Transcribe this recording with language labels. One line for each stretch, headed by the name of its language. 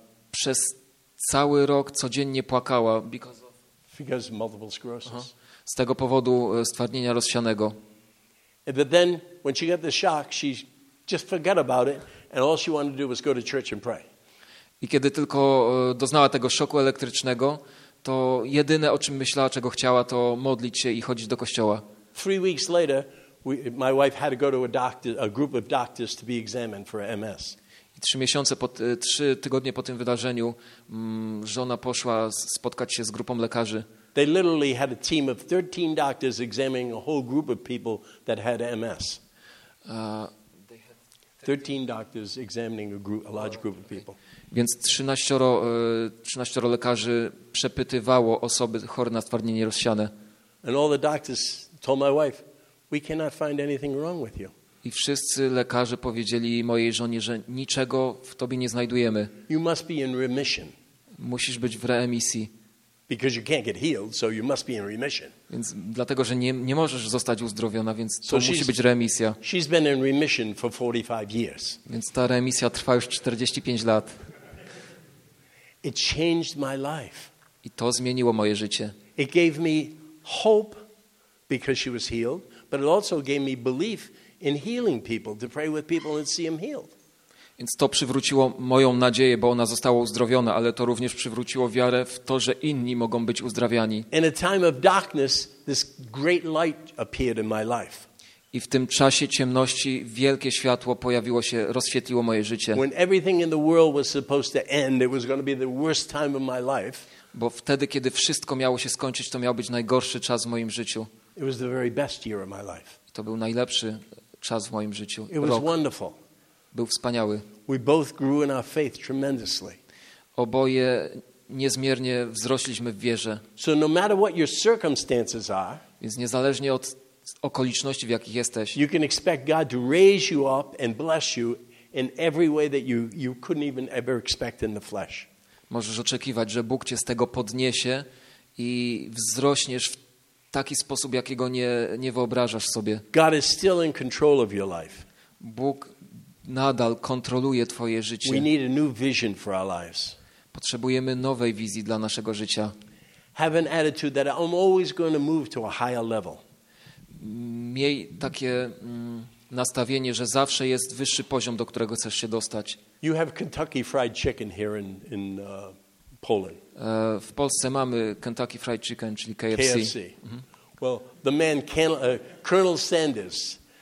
Polish: Przez cały rok codziennie płakała
English: because of multiple sclerosis.
Polish: Z tego powodu stwardnienia rozsianego.
English: But then when she got the shock, she just forgot about it and all she wanted to do was go to church and pray.
Polish: I kiedy tylko doznała tego szoku elektrycznego, to jedyne, o czym myślała, czego chciała, to modlić się i chodzić do kościoła.
English: 3 weeks later, my wife had to go to a group of doctors to be examined for MS.
Polish: I 3 tygodnie po tym wydarzeniu żona poszła spotkać się z grupą lekarzy.
English: They literally had a team of 13 doctors examining a whole group of people that had MS. 13 doctors examining a large group of people.
Polish: Więc 13 lekarzy przepytywało osoby chore na stwardnienie rozsiane.
English: And all the doctors told my wife, we cannot find anything wrong with you.
Polish: I wszyscy lekarze powiedzieli mojej żonie, że niczego w tobie nie znajdujemy.
English: You must be in remission.
Polish: Musisz być w remisji.
English: Because you can't get healed, so you must be in remission.
Polish: Więc dlatego, że nie możesz zostać uzdrowiona, więc to musi być remisja.
English: She's been in remission for 45 years.
Polish: Więc ta remisja trwa już 45 lat.
English: It changed my life.
Polish: I to zmieniło moje życie.
English: It gave me hope because she was healed, but it also gave me belief in healing people, to pray with people and see them healed.
Polish: Więc to przywróciło moją nadzieję, bo ona została uzdrowiona, ale to również przywróciło wiarę w to, że inni mogą być uzdrawiani.
English: In a time of darkness, this great light appeared in my life.
Polish: I w tym czasie ciemności wielkie światło pojawiło się, rozświetliło moje życie.
English: When everything in the world was supposed to end, it was going to be the worst time of my life.
Polish: Bo wtedy, kiedy wszystko miało się skończyć, to miał być najgorszy czas w moim życiu.
English: It was the very best year of my life.
Polish: To był najlepszy czas w moim życiu.
English: It was wonderful.
Polish: Był wspaniały.
English: We both grew in our faith tremendously.
Polish: Oboje niezmiernie wzrośliśmy w wierze.
English: So no matter what your circumstances are,
Polish: więc niezależnie od okoliczności, w jakich jesteś,
English: you can expect God to raise you up and bless you in every way that you couldn't even ever expect in the flesh.
Polish: Możesz oczekiwać, że Bóg cię z tego podniesie i wzrośniesz w taki sposób, jakiego nie wyobrażasz sobie.
English: God is still in control of your life.
Polish: Bóg nadal kontroluje twoje życie.
English: We need a new vision for our lives.
Polish: Potrzebujemy nowej wizji dla naszego życia.
English: Have an attitude that I'm always going to move to a higher level.
Polish: Miej takie nastawienie, że zawsze jest wyższy poziom, do którego chcesz się dostać.
English: You have Kentucky Fried Chicken here in Poland.
Polish: W Polsce mamy Kentucky Fried Chicken, czyli KFC. KFC. Mm-hmm.
English: Well, the man Colonel Sanders.